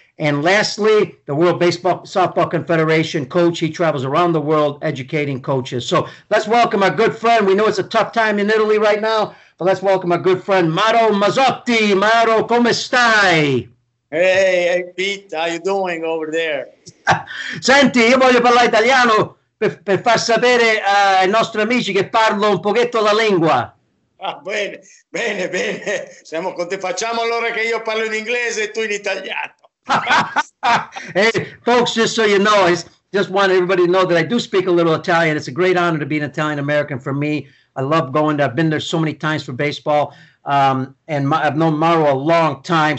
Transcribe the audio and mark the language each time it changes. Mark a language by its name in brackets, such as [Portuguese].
[English] And lastly, the World Baseball Softball Confederation coach. He travels around the world educating coaches. So let's welcome our good friend. We know it's a tough time in Italy right now, but let's welcome our good friend, Mauro Mazzotti. [Italian] Mauro, come stai? [English] Hey, Pete, how you doing over there? [Italian] Senti, io voglio parlare italiano per far sapere ai nostri amici che parlo un pochetto la lingua. Ah, bene, bene, bene. Siamo con te. Facciamo allora che io parlo in inglese e tu in italiano. [English] Hey, folks, just so you know, I just want everybody to know that I do speak a little Italian. It's a great honor to be an Italian-American for me. I love going there. I've been there so many times for baseball, I've known Mauro a long time.